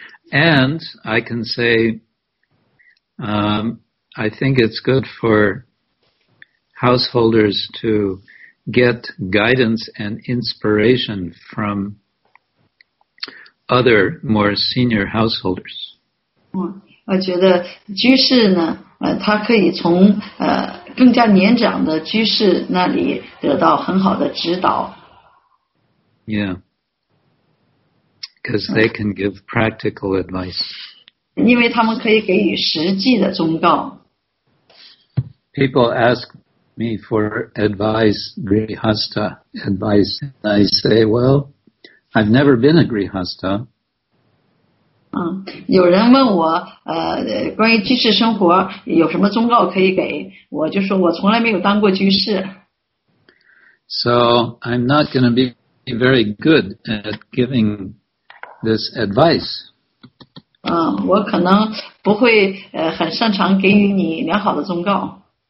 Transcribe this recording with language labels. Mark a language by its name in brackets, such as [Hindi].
[English] And I can say, I think it's good for householders to get guidance and inspiration from other more senior householders. [Chinese] 我觉得居士呢，他可以从更加年长的居士那里得到很好的指导。 [English] Yeah, because they can give practical advice. [Chinese] 因为他们可以给予实际的忠告。 [English] People ask me for advice, Grihastha advice. I say, well, I've never been a Grihastha. [Chinese] 有人问我关于居士生活有什么忠告可以给，我就说我从来没有当过居士。 [English] So I'm not going to be very good at giving this advice. [Chinese] 我可能不会很擅长给予你良好的忠告。